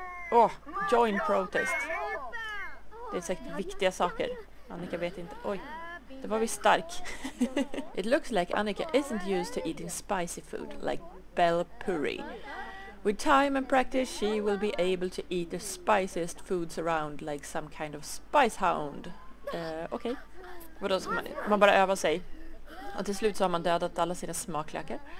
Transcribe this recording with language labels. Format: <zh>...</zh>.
<sv>Åh,</sv> <en>join protest.</en> <sv>Det är säkert viktiga saker. Annika vet inte. Oj, det var vi stark.</sv> <en>It looks like Annika isn't used to eating spicy food like bell puree. With time and practice she will be able to eat the spiciest foods around like some kind of spice hound.</en> <sv>Okej. Vadå, ska man bara öva sig? Och till slut så har man dödat alla sina smaklökar.</sv>